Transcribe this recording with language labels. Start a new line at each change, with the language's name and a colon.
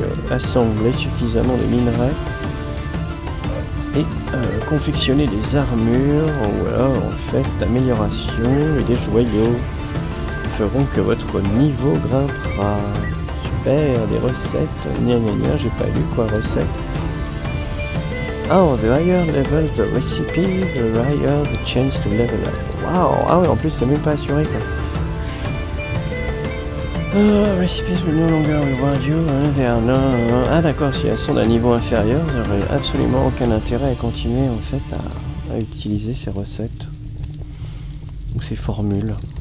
French: Assembler suffisamment de minerais. Et confectionner des armures ou alors en fait d'amélioration et des joyaux feront que votre niveau grimpera. Super, des recettes, gnagnagna, j'ai pas lu quoi recette.
English: Oh, the higher level the recipe, the higher the chance to level up.
French: Waouh, ah ouais, en plus c'est même pas assuré quoi.
English: Recipes will no longer reward you,
French: hein, Vernon. Ah d'accord, si elles sont d'un niveau inférieur, j'aurais absolument aucun intérêt à continuer en fait à utiliser ces recettes ou ces formules.